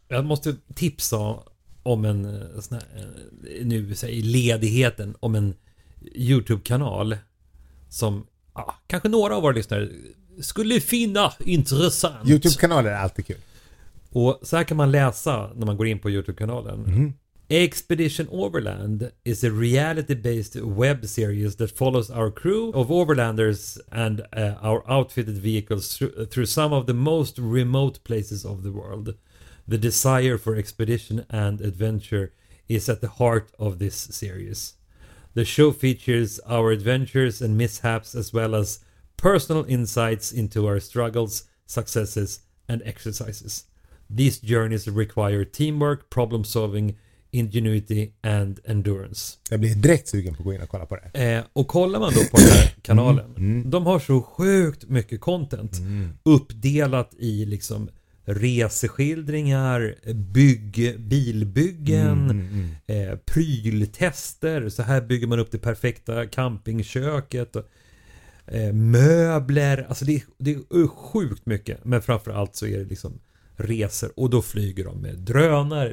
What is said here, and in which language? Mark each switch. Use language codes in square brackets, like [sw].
[sv] Jag måste tipsa om en sån här, nu säger ledigheten, om en YouTube-kanal som kanske några av våra lyssnare skulle finna intressant. YouTube-kanaler är alltid kul. Och så här kan man läsa när man går in på YouTube-kanalen. Mm. [en] Expedition Overland is a reality-based web series that follows our crew of overlanders and our outfitted vehicles through some of the most remote places of the world. The desire for expedition and adventure is at the heart of this series. The show features our adventures and mishaps as well as personal insights into our struggles, successes and exercises. These journeys require teamwork, problem-solving, ingenuity and endurance. [sv] Jag blir direkt sugen på att gå in och kolla på det. Och kollar man då på den här kanalen, de har så sjukt mycket content uppdelat i liksom reseskildringar, bilbyggen, pryltester, så här bygger man upp det perfekta campingköket och möbler, alltså det är sjukt mycket, men framförallt så är det liksom reser, och då flyger de med drönare.